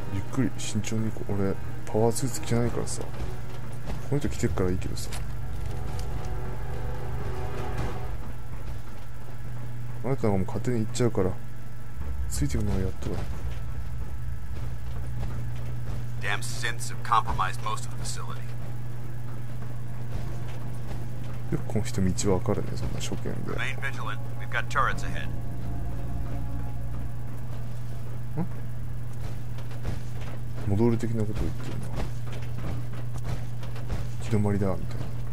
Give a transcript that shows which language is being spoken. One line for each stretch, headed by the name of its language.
Japanese: くり慎重に行こう。俺パワースーツ着ないからさ、この人着てるからいいけどさ。あなたなんかも勝手に行っちゃうからついてくのはやっとだ。
English: Damn synths have compromised most of the facility。
Japanese: よくこの人道分かるね、そんな初見で。
English: Remain vigilant, we've got turrets ahead。
Japanese: モドル的なことを言ってるな。気止まりだみたいな。